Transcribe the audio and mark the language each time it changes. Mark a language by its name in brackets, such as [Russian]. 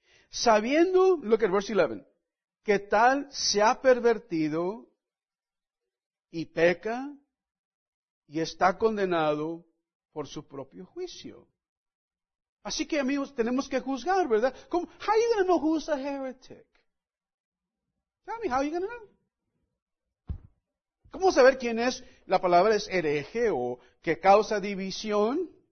[Spanish] Sabiendo, [English] look at verse 11, [Spanish] que tal se ha pervertido y peca, y está condenado por su propio juicio. Así que, amigos, tenemos que juzgar, ¿verdad? ¿Cómo? [English] How are you going to know who's a heretic? Tell me, how are you going to know? [Spanish] ¿Cómo saber quién es, la palabra es hereje o que causa división?